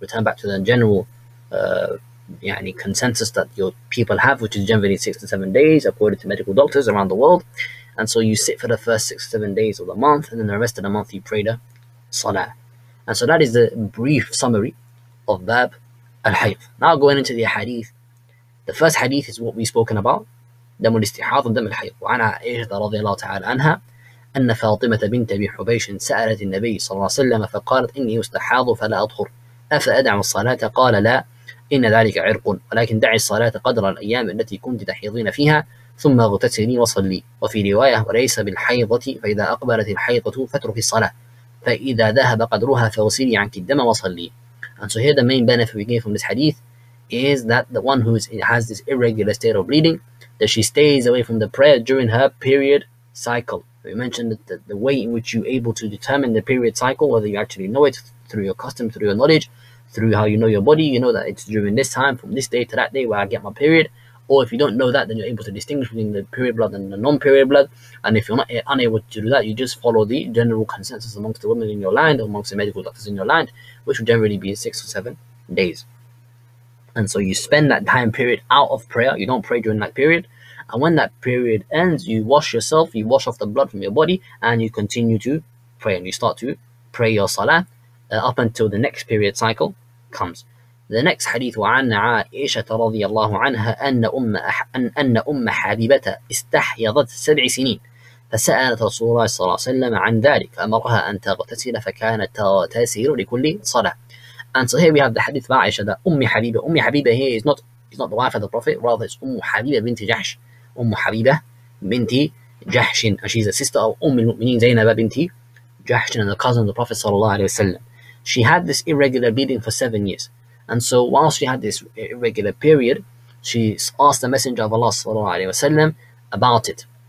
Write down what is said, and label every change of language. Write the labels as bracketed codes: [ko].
[en] Return back to the general consensus that your people have, which is generally 6 to 7 days, according to medical doctors around the world. And so you sit for the first 6 to 7 days of the month, and then the rest of the month you pray the salah. And so that is the brief summary of Bab al-Hayd. Now going into the hadith. The first hadith is what we've spoken about. [ar] دَمُ الْإِسْتِحَاضُ دَمُ الْحَيْضُ وَعَنَا عَيْشَةَ رَضِيَ اللَّهُ تَعَالَى عَنْهَا أن فاطمة بنت أبي حبيش سألت النبي صلى الله عليه وسلم فقالت إني أستحاض فلا أطهر أفأدع الصلاة؟ قال لا، إن ذلك عرق، ولكن دع الصلاة قدر الأيام التي كنت تحيضين فيها ثم اغتسلي وصلي. وفي رواية وليس بالحيضة، فإذا أقبلت الحيضة فاترك الصلاة، فإذا ذهب قدرها فاغسلي عنك الدم وصلي. [en] And so here the main benefit we gain from this hadith is that the one who has this irregular state of bleeding, that she stays away from the prayer during her period cycle. We mentioned that the way in which you're able to determine the period cycle, whether you actually know it through your custom, through your knowledge, through how you know your body, you know that it's during this time, from this day to that day where I get my period. Or if you don't know that, then you're able to distinguish between the period blood and the non-period blood. And if you're not unable to do that, you just follow the general consensus amongst the women in your land, or amongst the medical doctors in your land, which will generally be 6 or 7 days. And so you spend that time period out of prayer. You don't pray during that period. And when that period ends, you wash yourself, you wash off the blood from your body, and you continue to pray, and you start to pray your salah up until the next period cycle comes. The next hadith, [ar] وعن عائشة رضي الله عنها أن أم حبيبة استحيضت 7 سنين فسألت رسول الله صلى الله عليه وسلم عن ذلك فأمرها أن تغتسل فكانت تغتسل لكل صلاة. [en] And so here we have the hadith of Aisha, that Ummi Habiba here is not the wife of the Prophet, rather it's Ummu Habiba binti Jahsh. Ummu Habiba binti Jahshin, and she's a sister of Umm al-Mu'mineen Zainab binti Jahshin, and the cousin of the Prophet sallallahu alaihi wasallam. She had this irregular bleeding for 7 years, and so while she had this irregular period, she asked the Messenger of Allah sallallahu alaihi wasallam about it.